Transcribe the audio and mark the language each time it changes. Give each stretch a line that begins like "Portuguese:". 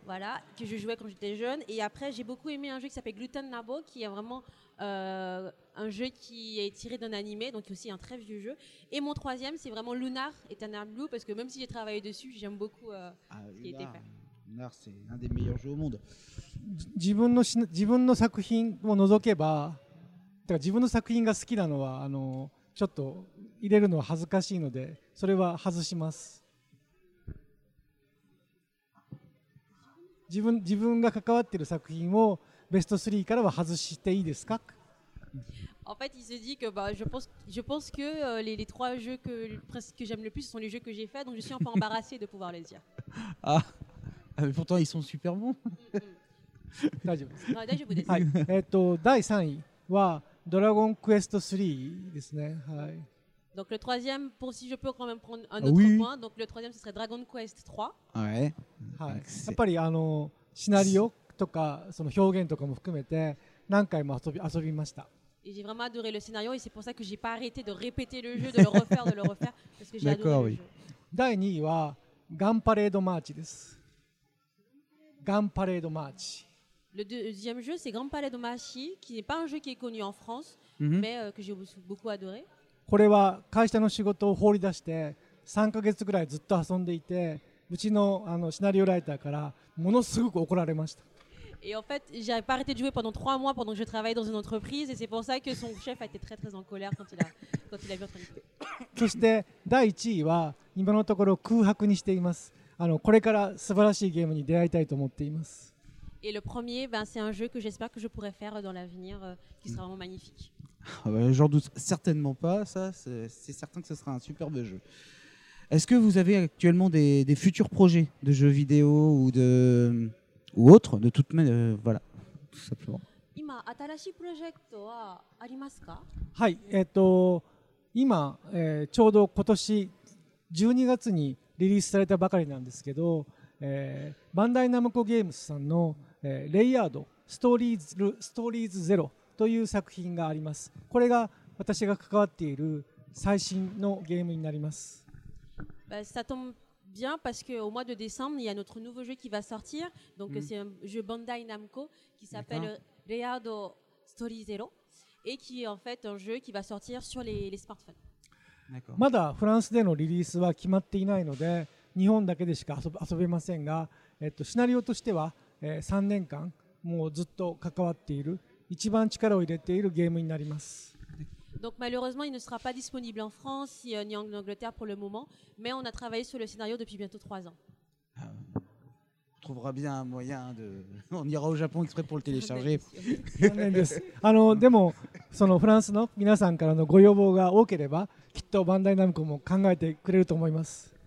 French: Voilà, que je jouais quand j'étais jeune. Et après j'ai beaucoup aimé un jeu qui s'appelle Gluten Nabo, qui est vraiment un jeu qui est tiré d'un animé, donc aussi un très vieux jeu. Et mon troisième, c'est vraiment Lunar Eternal Blue, parce que même si j'ai travaillé dessus, j'aime beaucoup ce qui a été fait. Lunar, c'est un des meilleurs jeux au monde.
Japanese: 自分の作品を除けば、だから自分の作品が好きなのはちょっと入れるのは恥ずかしいので、それは外します。自分が関わっている作品をベスト3からは外していいですか？
French: En fait, il se dit que bah, je pense que les trois jeux que j'aime le plus sont les jeux que j'ai faits, donc je suis un peu embarrassée de pouvoir les dire. Ah, mais pourtant ils sont super bons. Donc le troisième, pour si je peux quand même prendre un autre point, donc le troisième ce serait Dragon Quest 3. Ouais.
Japanese: やっぱりシナリオとかその表現とかも含めて何回も遊びました。
French: Et j'ai vraiment adoré le scénario et c'est pour ça que j'ai pas arrêté de répéter le jeu, de le refaire parce que j'ai adoré le jeu. D'accord, oui.
Japanese: 第2位はガンパレードマーチです。ガンパレードマーチ。
French: Le deuxième jeu c'est Grand Palais de Machi, qui n'est pas un jeu qui est connu en France, mais que j'ai beaucoup adoré.
Japanese: これは会社の仕事を放り出して3ヶ月ぐらいずっと遊んでいて、うちのシナリオライターからものすごく怒られました。
French: Et en fait, j'ai pas arrêté de jouer pendant 3 mois pendant que je travaillais dans une entreprise et c'est pour ça que son chef a été très très en colère quand il a vu notre équipe.
Japanese: そして第1位は今のところ空白にしています。これから素晴らしいゲームに出会いたいと思っています。
French: Et le premier, ben c'est un jeu que j'espère que je pourrai faire dans l'avenir qui sera vraiment magnifique. J'en doute certainement pas, ça c'est certain que ce sera un superbe jeu. Est-ce que vous avez actuellement des futurs projets de jeux vidéo ou de ou autre, de toute manière, voilà, tout simplement.
Japanese: 今新しいプロジェクトはありますか？はい、今、ちょうど今年12月にリリースされたばかりなんですけど、バンダイナムコゲームスさんの、レイヤードストーリーズゼロという作品があります。これが私が関わっている最新のゲームになります。
French: Bien, parce qu'au mois de décembre, il y a notre nouveau jeu qui va sortir. Donc, c'est un jeu Bandai Namco qui s'appelle Reado Story Zero et qui est en fait un jeu qui va sortir sur les smartphones.
Japanese: まだフランスでのリリースは決まっていないので、日本だけでしか遊べませんが、シナリオとしては、3年間もうずっと関わっている一番力を入れているゲームになります。
French: Donc malheureusement, il ne sera pas disponible en France ni en Angleterre pour le moment, mais on a travaillé sur le scénario depuis bientôt 3 ans. On trouvera bien un moyen de... On ira au Japon exprès pour le télécharger. Mais si les gens de France ont des demandes, ils vont Bandai Namco penser à ça.